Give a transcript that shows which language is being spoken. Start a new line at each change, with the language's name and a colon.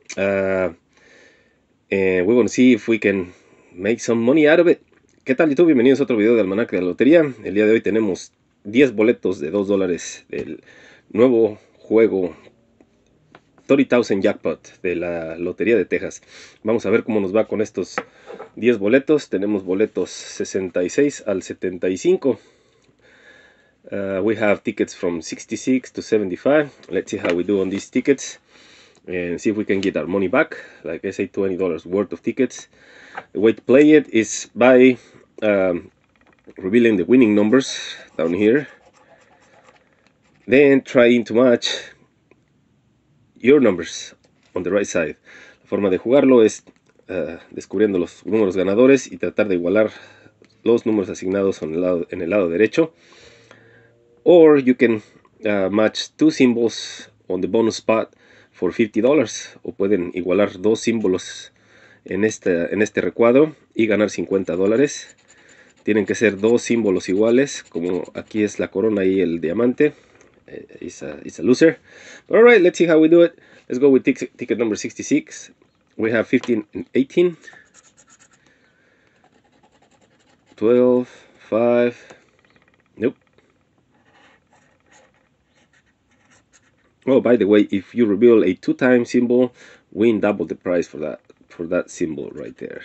English: And we're going to see if we can make some money out of it.
Spanish: ¿Qué tal, YouTube? Bienvenidos a otro video de Almanac de la Lotería. El día de hoy tenemos 10 boletos de $2 del nuevo juego 30,000 Jackpot de la Lotería de Texas. Vamos a ver cómo nos va con estos 10 boletos. Tenemos boletos 66 al 75.
English: We have tickets from 66 to 75. Let's see how we do on these tickets. And see if we can get our money back. Like I say, $20 worth of tickets. The way to play it is by revealing the winning numbers down here. Then trying to match your numbers on the right side.
Spanish: La forma de jugarlo es descubriendo los números ganadores y tratar de igualar los números asignados en el lado derecho.
English: Or you can match two symbols on the bonus spot for $50.
Spanish: O pueden igualar dos símbolos en este recuadro y ganar $50. Tienen que ser dos símbolos iguales, como aquí es la corona y el diamante.
English: It's a loser. But all right, let's see how we do it. Let's go with ticket number 66. We have 15 and 18. 12, 5. Nope. Oh, by the way, if you reveal a two-time symbol, win double the prize for that symbol right there.